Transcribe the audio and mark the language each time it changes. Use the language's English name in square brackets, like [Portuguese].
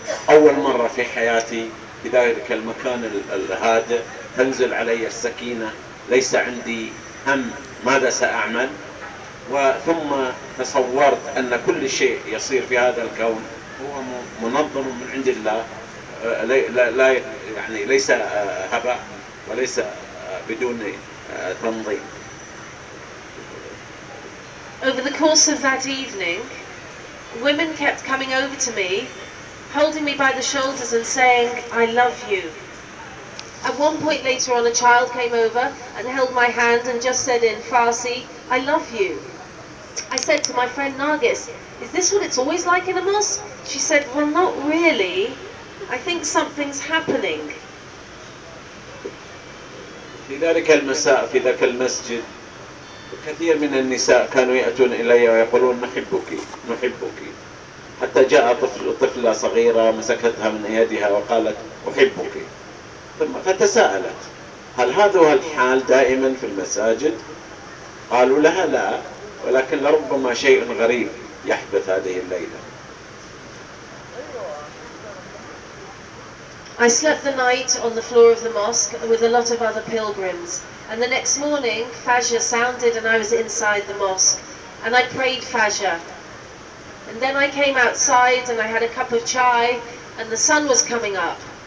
[Arabic] أول مرة في حياتي في ذلك المكان الهادئ تنزل علي السكينة ليس عندي هم ماذا سأعمل وثم تصورت أن كل شيء يصير في هذا الكون هو منظم من عند الله لا يعني ليس هباء وليس بدون تنظيم. [English] Over the course of that evening, women kept coming over to me, holding me by the shoulders and saying, "I love you." At one point later on, a child came over and held my hand and just said in Farsi, "I love you." I said to my friend Nargis, "Is this what it's always like in a mosque?" She said, "Well, not really. I think something's happening." [Arabic] في ذلك المساء في ذاك المسجد كثير من النساء كانوا يأتون إلي ويقولون نحبك نحبك حتى جاء طفلة صغيرة مسكتها من يدها وقالت أحبك. فتساءلت هل هذا الحال دائما في المساجد؟ قالوا لها لا ولكن لربما شيء غريب يحدث هذه الليلة. [English] I slept the night on the floor of the mosque with a lot of other pilgrims. And the next morning, Fajr sounded and I was inside the mosque. And I prayed Fajr. And then I came outside and I had a cup of chai and the sun was coming up.